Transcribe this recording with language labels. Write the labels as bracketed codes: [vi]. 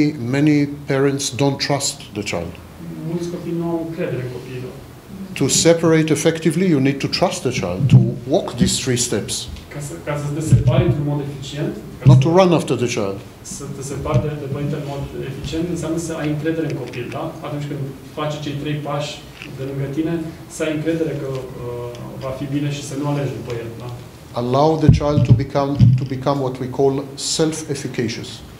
[en] Many parents don't trust the child. [ro] Mulți copii nu au încredere în copilul. [en] To separate effectively, you need to trust the child, to walk these three steps. [ro] Ca să te separi într-un mod eficient. [en] Not to run after the child. [ro] Să te separi de părinte în mod eficient înseamnă să ai încredere în copil, da? Atunci când faci cei trei pași de lângă tine, să ai încredere că va fi bine și să nu alegi după el, da? [en] Allow the child to become what we call self-efficacious.